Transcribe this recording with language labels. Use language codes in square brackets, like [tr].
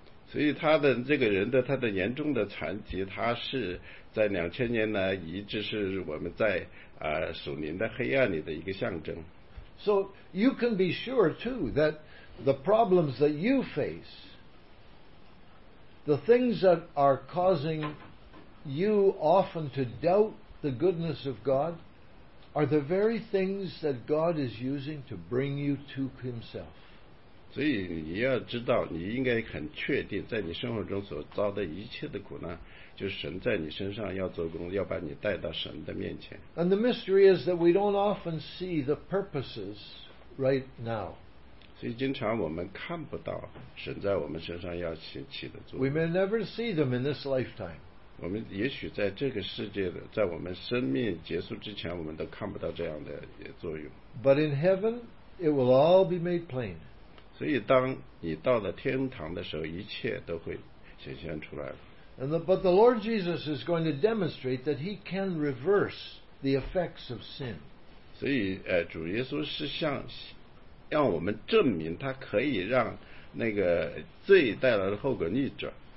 [zh] 所以他的这个人的他的严重的残疾，他是在2000年来一直是我们在属灵的黑暗里的一个象征。 [en] So you can be sure too that the problems that you face, the things that are causing you often to doubt the goodness of God. Are the very things that God is using to bring you to Himself. [zh] 所以你要知道，你应该很确定，在你生活中所遭的一切的苦难，就是神在你身上要做工，要把你带到神的面前。 [en] And the mystery is that we don't often see the purposes right now. [zh] 所以经常我们看不到神在我们身上要起的作用。 [en] We may never see them in this lifetime. [zh] 我们也许在这个世界的，在我们生命结束之前，我们都看不到这样的作用。 [en] But in heaven, it will all be made plain. [zh] 所以，当你到了天堂的时候，一切都会显现出来了。 [en] But the Lord Jesus is going to demonstrate that He can reverse the effects of sin. [zh] 所以，主耶稣是让我们证明他可以让那个罪带来的后果逆转。